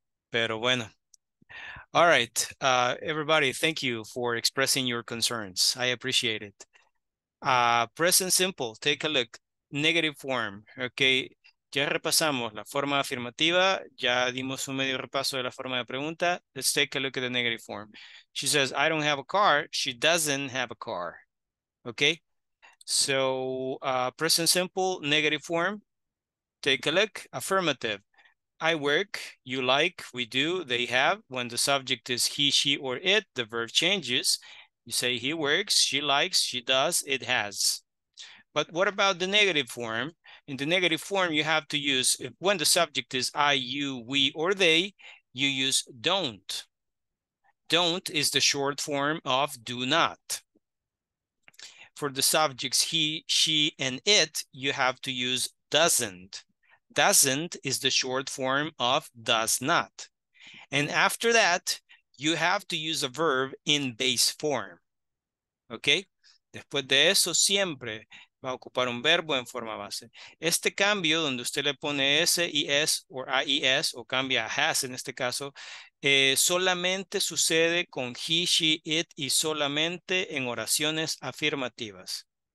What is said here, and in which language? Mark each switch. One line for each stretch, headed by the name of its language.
Spanish: Pero bueno.
English: All right. Everybody, thank you for expressing your concerns. I appreciate it. Present simple. Take a look. Negative form. Okay.
Spanish: Ya repasamos la forma afirmativa. Ya dimos un medio repaso de la forma de pregunta.
English: Let's take a look at the negative form. She says, I don't have a car. She doesn't have a car. Okay? So, present simple, negative form. Take a look. Affirmative. I work. You like. We do. They have. When the subject is he, she, or it, the verb changes. You say he works. She likes. She does. It has. But what about the negative form? In the negative form, you have to use, when the subject is I, you, we, or they, you use don't. Don't is the short form of do not. For the subjects he, she, and it, you have to use doesn't. Doesn't is the short form of does not. And after that, you have to use a verb in base form. Okay?
Spanish: Después de eso, siempre va a ocupar un verbo en forma base. Este cambio donde usted le pone S, IS o IES o cambia a has en este caso, solamente sucede con he, she, it y solamente en oraciones afirmativas.